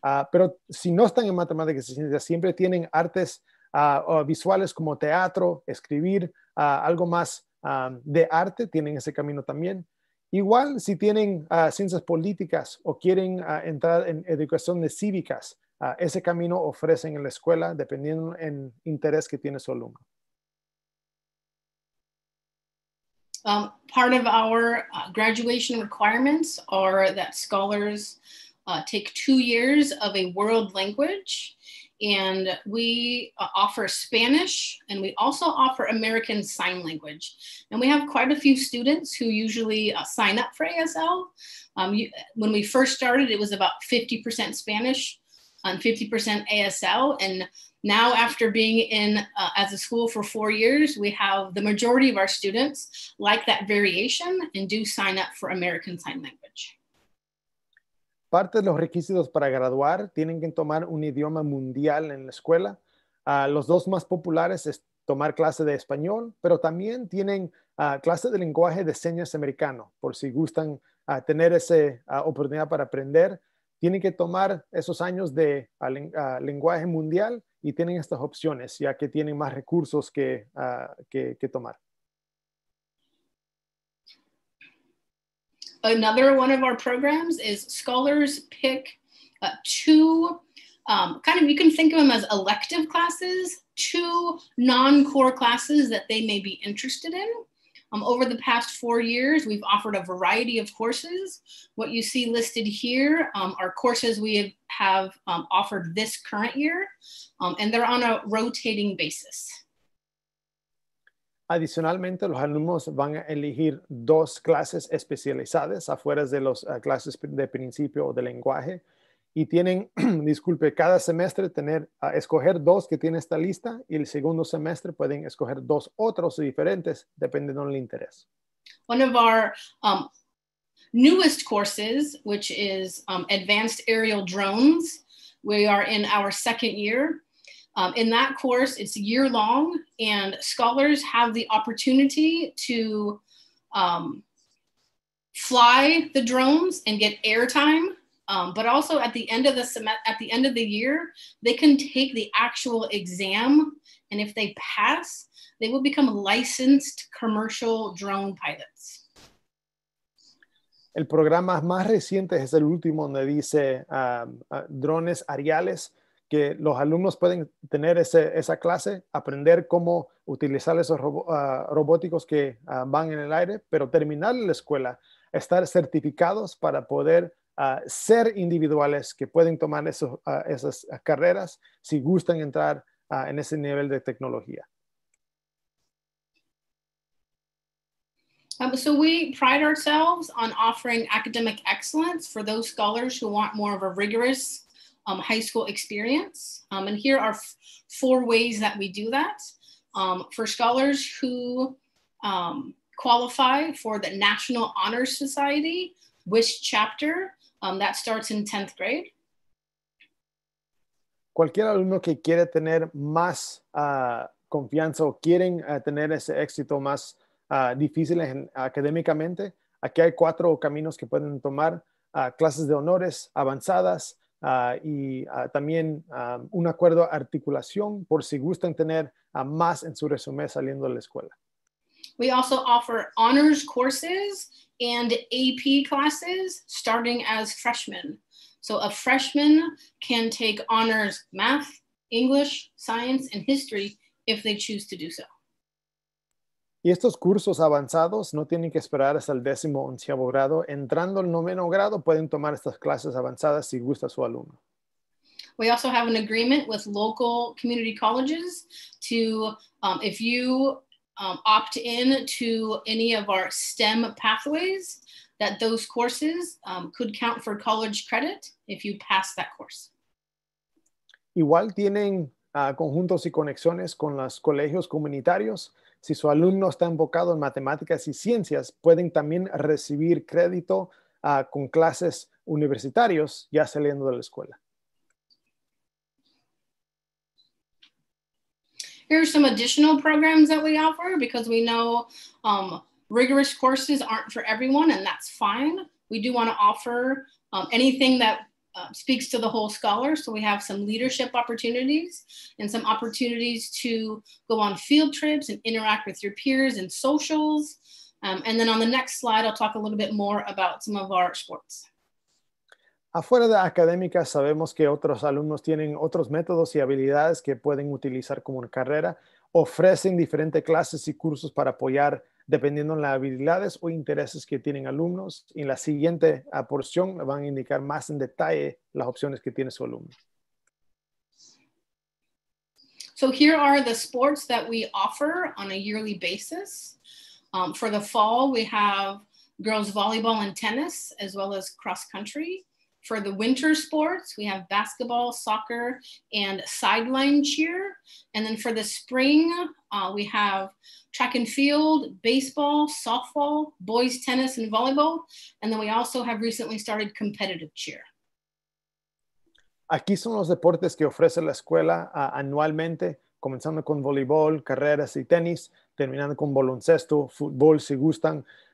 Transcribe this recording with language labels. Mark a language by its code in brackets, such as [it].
[es] Pero si no están en matemáticas y ciencias, siempre tienen artes visuales como teatro, escribir, algo más de arte, tienen ese camino también. Igual si tienen ciencias políticas o quieren entrar en educación de cívicas, ese camino ofrecen en la escuela dependiendo en interés que tiene su alumno. [en] Part of our graduation requirements are that scholars take 2 years of a world language. And we offer Spanish, and we also offer American Sign Language. And we have quite a few students who usually sign up for ASL. When we first started, it was about 50% Spanish and 50% ASL. And now after being in as a school for 4 years, we have the majority of our students like that variation and do sign up for American Sign Language. [es] Parte de los requisitos para graduar tienen que tomar un idioma mundial en la escuela. Los dos más populares es tomar clase de español, pero también tienen clase de lenguaje de señas americano, por si gustan tener esa oportunidad para aprender. Tienen que tomar esos años de lenguaje mundial y tienen estas opciones, ya que tienen más recursos que tomar. [en] Another one of our programs is scholars pick two, kind of, you can think of them as elective classes, two non-core classes that they may be interested in. Over the past 4 years, we've offered a variety of courses. What you see listed here are courses we have offered this current year, and they're on a rotating basis. [es] Adicionalmente, los alumnos van a elegir dos clases especializadas afuera de las clases de principio o de lenguaje. Y tienen, disculpe, cada semestre tener a escoger dos que tiene esta lista y el segundo semestre pueden escoger dos otros diferentes dependiendo del interés. [en] One of our newest courses, which is Advanced Aerial Drones, we are in our second year. In that course, it's year long, and scholars have the opportunity to fly the drones and get airtime. But also at the end of the year, they can take the actual exam, and if they pass, they will become licensed commercial drone pilots. [es] El programa más reciente es el último donde dice drones aeriales, que los alumnos pueden tener esa clase, aprender cómo utilizar esos robóticos que van en el aire, pero terminar la escuela, estar certificados para poder ser individuales que pueden tomar esas carreras si gustan entrar en ese nivel de tecnología. [en] So we pride ourselves on offering academic excellence for those scholars who want more of a rigorous high school experience. And here are four ways that we do that. For scholars who qualify for the National Honor Society WISH chapter, that starts in 10th grade. [es] Cualquier alumno que quiere tener más confianza o quieren tener ese éxito más difíciles académicamente, aquí hay cuatro caminos que pueden tomar: clases de honores avanzadas y también un acuerdo de articulación por si gustan tener más en su resumen saliendo de la escuela. [en] We also offer honors courses and AP classes starting as freshmen. So a freshman can take honors math, English, science, and history if they choose to do so. [es] Y estos cursos avanzados no tienen que esperar hasta el 10º, 11º grado. Entrando al 9º grado, pueden tomar estas clases avanzadas si gusta su alumno. [en] We also have an agreement with local community colleges to, if you opt in to any of our STEM pathways, that those courses could count for college credit if you pass that course. [es] Igual tienen conjuntos y conexiones con los colegios comunitarios. Si su alumno está enfocado en matemáticas y ciencias, pueden también recibir crédito con clases universitarios ya saliendo de la escuela. [en] Here are some additional programs that we offer because we know rigorous courses aren't for everyone, and that's fine. We do want to offer anything that speaks to the whole scholar. So we have some leadership opportunities and some opportunities to go on field trips and interact with your peers and socials. And then on the next slide, I'll talk a little bit more about some of our sports. [es] Afuera de académica, sabemos que otros alumnos tienen otros métodos y habilidades que pueden utilizar como una carrera. Ofrecen diferentes clases y cursos para apoyar dependiendo de las habilidades o intereses que tienen alumnos. En la siguiente porción van a indicar más en detalle las opciones que tiene su alumno. [en] So here are the sports that we offer on a yearly basis. For the fall, we have girls volleyball and tennis, as well as cross country. For the winter sports, we have basketball, soccer, and sideline cheer. And then for the spring, we have track and field, baseball, softball, boys tennis, and volleyball. And then we also have recently started competitive cheer. [es] Aquí son los deportes que ofrece la escuela anualmente, comenzando con voleibol, carreras y tenis, terminando con baloncesto, fútbol si gustan.